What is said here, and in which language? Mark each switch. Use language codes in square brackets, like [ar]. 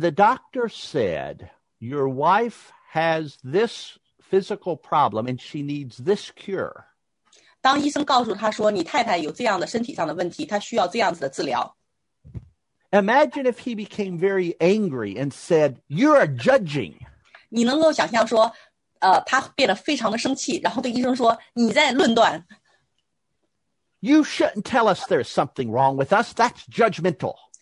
[en] the doctor said, your wife has this physical problem and she needs this cure. [zh] 当医生告诉他说你太太有这样的身体上的问题,她需要这样子的治疗。 [en] Imagine if he became very angry and said, you're judging. [zh] 你能够想象说,他变得非常的生气,然后对医生说,你在论断。 [en] You shouldn't tell us there's something wrong with us, that's judgmental.